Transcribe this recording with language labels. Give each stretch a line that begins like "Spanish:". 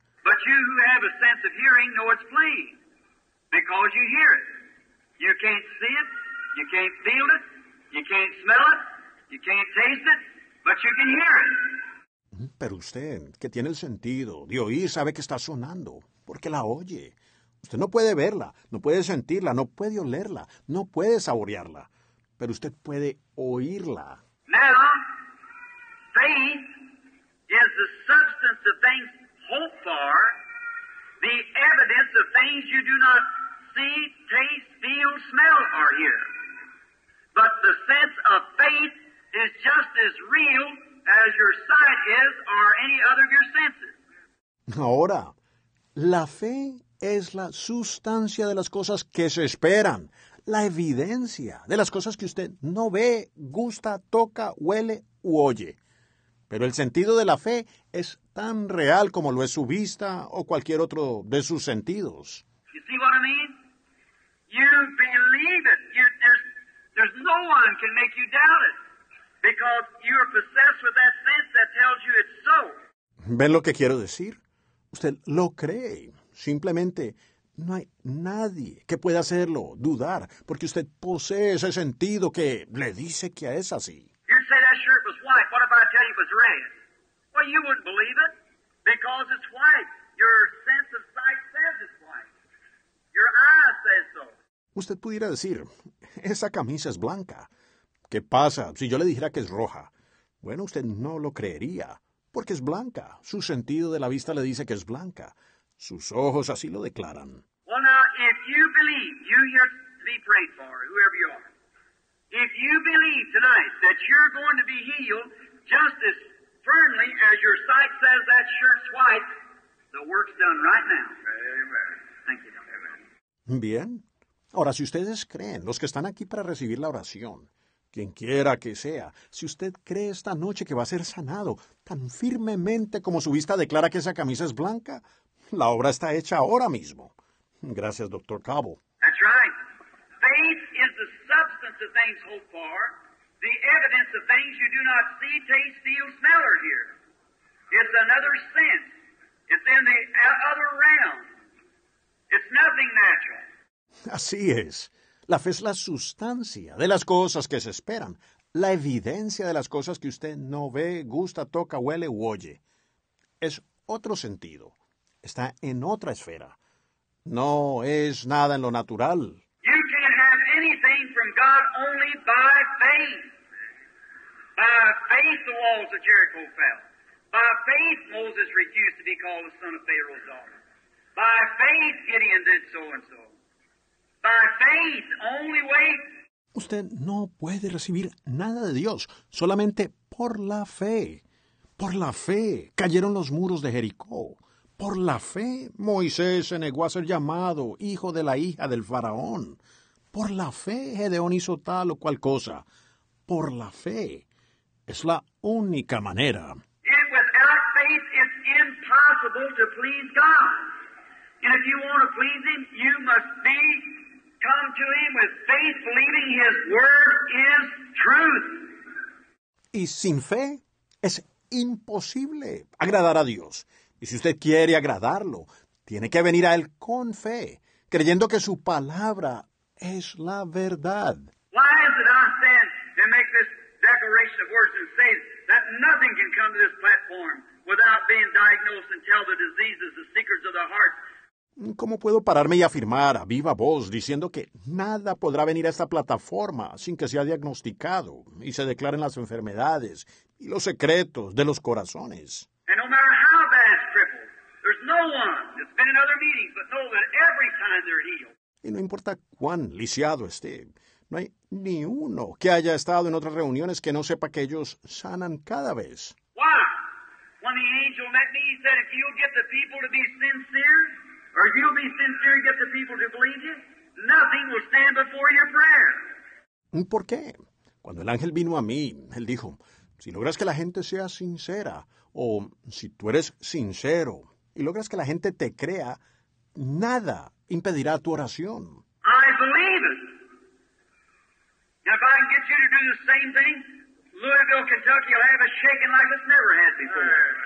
English: But you who have a sense of hearing know it's playing. Because you hear it. You can't see it. You can't feel it. You can't smell it. You can't taste it. But you can hear it.
Spanish: Pero usted, que tiene el sentido de oír, sabe que está sonando porque la oye. Usted no puede verla, no puede sentirla, no puede olerla, no puede saborearla. Pero usted puede oírla.
English: Now, faith is the substance of things hoped for, the evidence of things you do not see, taste, feel, smell are here. But the sense of faith is just as real as your sight is or any other of your senses.
Spanish: Ahora, la fe es la sustancia de las cosas que se esperan, la evidencia de las cosas que usted no ve, gusta, toca, huele u oye. Pero el sentido de la fe es tan real como lo es su vista o cualquier otro de sus sentidos.
English: You see what I mean? You believe it. There's no one can make you doubt it because you are possessed with that sense that tells you it's so.
Spanish: ¿Ven lo que quiero decir? Usted lo cree. Simplemente no hay nadie que pueda hacerlo dudar porque usted posee ese sentido que le dice que es así.
English: You say that shirt was white. What if I tell you it was red? Well, you wouldn't believe it because it's white. Your sense of sight says it's white. Your eye says so.
Spanish: Usted pudiera decir, esa camisa es blanca. ¿Qué pasa si yo le dijera que es roja? Bueno, usted no lo creería porque es blanca. Su sentido de la vista le dice que es blanca. Sus ojos así lo declaran.
English: Well, now, if you believe, you here to be prayed for, whoever you are, if you believe tonight that you're going to be healed just as firmly as your sight says that shirt's white, the work's done right now. Amen. Thank you.
Spanish: Amen. Bien. Ahora, si ustedes creen, los que están aquí para recibir la oración, quienquiera que sea, si usted cree esta noche que va a ser sanado tan firmemente como su vista declara que esa camisa es blanca, la obra está hecha ahora mismo. Gracias, Dr. Cabo.
English: That's right. Faith is the substance of things hoped for, the evidence of things you do not see, taste, feel, smell, or hear. It's another sense. It's in the other realm. It's nothing natural.
Spanish: Así es. La fe es la sustancia de las cosas que se esperan, la evidencia de las cosas que usted no ve, gusta, toca, huele u oye. Es otro sentido. Está en otra esfera. No es nada en lo natural.
English: You can have anything from God only by faith. By faith the walls of Jericho fell. By faith Moses refused to be called the son of Pharaoh's daughter. By faith Gideon did so and so. By faith, only way.
Spanish: Usted no puede recibir nada de Dios, solamente por la fe. Por la fe cayeron los muros de Jericó. Por la fe Moisés se negó a ser llamado hijo de la hija del faraón. Por la fe Gedeón hizo tal o cual cosa. Por la fe es la única manera.
English: And without faith, it's impossible to please God. And if you want to please him, you must be come to him with faith, believing his word is truth.
Spanish: Y sin fe, es imposible agradar a Dios. Y si usted quiere agradarlo, tiene que venir a él con fe, creyendo que su palabra es la verdad.
English: Why is it I stand and make this declaration of words and say that nothing can come to this platform without being diagnosed and tell the diseases, the secrets of the heart?
Spanish: ¿Cómo puedo pararme y afirmar a viva voz diciendo que nada podrá venir a esta plataforma sin que sea diagnosticado y se declaren las enfermedades y los secretos de los corazones?
English: And no matter how bad it's crippled, there's no one that's been in other meetings but know that every time they're healed.
Spanish: Y no importa cuán lisiado esté, no hay ni uno que haya estado en otras reuniones que no sepa que ellos sanan cada vez.
English: Why? When the angel met me, he said, if you'll get the people to be sincere, or if you'll be sincere and get the people to believe you, nothing will stand before your prayer.
Spanish: ¿Por qué? Cuando el ángel vino a mí, él dijo, si logras que la gente sea sincera, o si tú eres sincero y logras que la gente te crea, nada impedirá tu oración.
English: I believe it. Now, if I can get you to do the same thing, Louisville, Kentucky will have a shaking like it's never had before.